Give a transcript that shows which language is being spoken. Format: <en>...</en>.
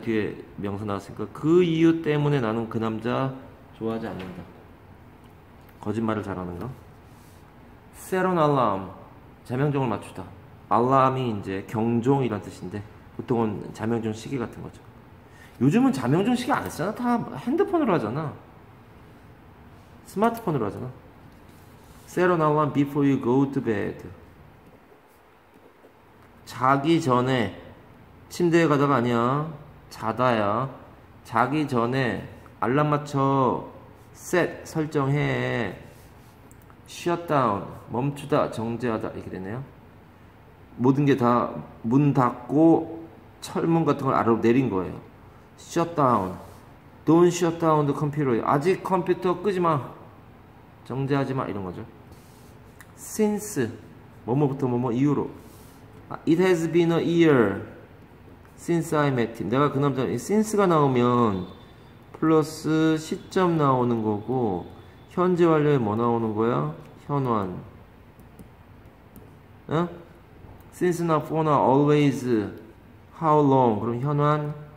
<ko>뒤에 명사 나왔으니까 그 이유 때문에 나는 그 남자 좋아하지 않는다. 거짓말을 잘하는가?</ko> <en>Set an alarm,</en> <ko>자명종을 맞추다. Alarm이 이제 경종이란 뜻인데 보통은 자명종 시계 같은 거죠. 요즘은 자명종 시계 안 쓰잖아. 다 핸드폰으로 하잖아. 스마트폰으로 하잖아.</ko> <en>Set an alarm before you go to bed.</en> <ko>자기 전에 침대에 가다가 아니야. 자다야. 자기 전에 알람 맞춰. Set 설정해. Shut down. 멈추다. 정지하다. 이렇게 되네요. 모든 게다문 닫고 철문 같은 걸 아래로 내린 거예요.</ko> <en>Shut down. Don't shut down the computer.</en> <ko>아직 컴퓨터 끄지 마. 정지하지 마. 이런 거죠. Since. 뭐뭐부터 뭐뭐 이후로.</ko> <en>It has been a year since I met him.</en> <ko>내가 그 남자, since가 나오면, 플러스 시점 나오는 거고, 현재 완료에 뭐 나오는 거야? 현완. 응?</ko> <en>Since not for now, always. How long?</en> <ko>그럼 현완?</ko>